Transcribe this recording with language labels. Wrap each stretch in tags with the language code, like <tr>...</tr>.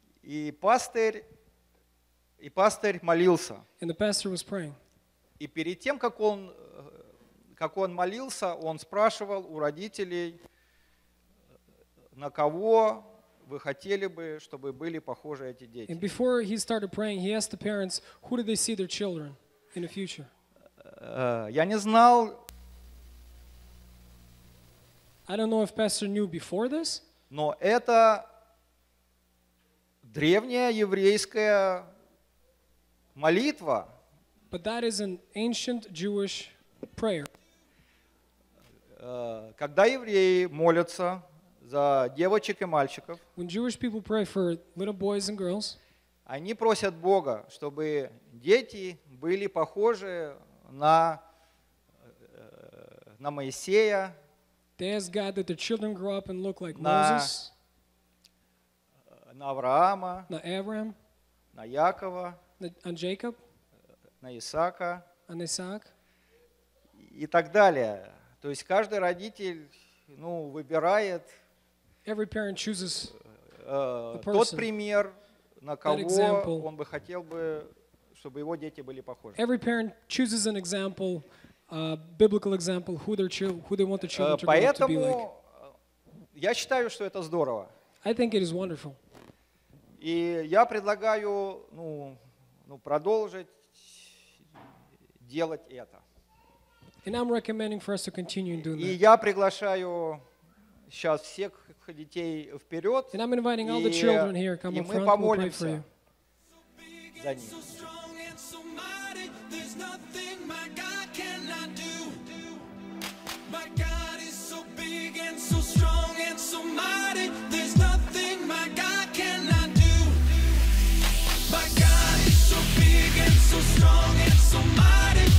<ru>И пастырь молился.</ru> <en>And the pastor was praying.</en> <ru>И перед тем, как он молился, он спрашивал у родителей, на кого вы хотели бы, чтобы были похожи эти дети.</ru> <en>And before he started praying, he asked the parents, who do they see their children in the future?</en> <ru>Я не знал.</ru> <en>I don't know if pastor knew before this.</en> <ru>Но это древняя еврейская молитва.</ru> <en>But that is an ancient Jewish prayer.</en> <ru>Когда евреи молятся за девочек и мальчиков,</ru> <en>when Jewish people pray for little boys and girls,</en> <ru>они просят Бога, чтобы дети были похожи на Моисея,</ru> <en>they ask God that their children grow up and look like Moses,</en> <ru>на Авраама, на Авраам, на Якова,</ru> <en>on Jacob,</en> <ru>на Исаака,</ru> <en>on Isaac,</en> <ru>и так далее. То есть каждый родитель, ну, выбирает</ru> <en>every parent chooses</en> <ru>тот пример, на кого он бы хотел бы, чтобы его дети были похожи.</ru> <en>Every parent chooses an example, a biblical example, who they want their children to grow up to be like.</en> <ru>Я считаю, что это здорово.</ru> <en>I think it is wonderful.</en> <ru>И я предлагаю, ну, продолжить делать это.</ru> <en>And I'm recommending for us to continue doing that.</en> <ru>И я приглашаю сейчас всех детей вперед.</ru> <en>And I'm inviting all the children here, come up front, we'll pray for you.</en> <ru>За них.</ru> <en>There's nothing my God cannot do. My God is so big and so strong and so mighty. There's nothing my God cannot do. My God is so big and so strong and so mighty.</en>